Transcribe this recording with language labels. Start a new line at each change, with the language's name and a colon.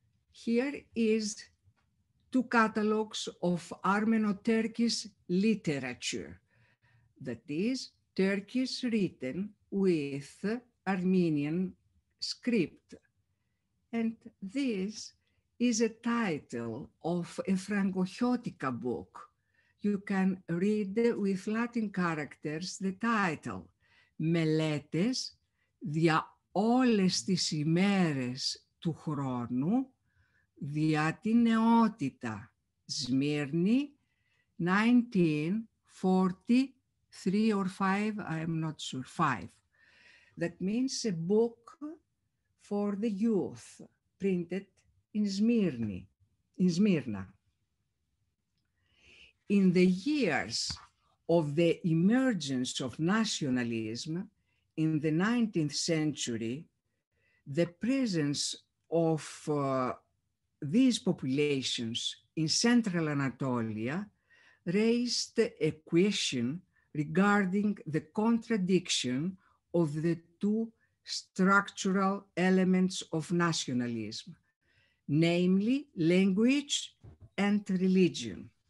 English: Here is two catalogues of Armeno-Turkish literature, that is, Turkish written with Armenian script. And this is a title of a Francochotica book. You can read with Latin characters the title,
Greek: Μελέτες δια όλες τις ημέρες του χρόνου, δια την νεότητα,
English: Σμύρνη, 1943 or 5, I am not sure, 5. That means a book for the youth, printed in Smyrna. In the years of the emergence of nationalism in the 19th century, the presence of these populations in Central Anatolia raised a question regarding the contradiction of the two structural elements of nationalism, namely language and religion.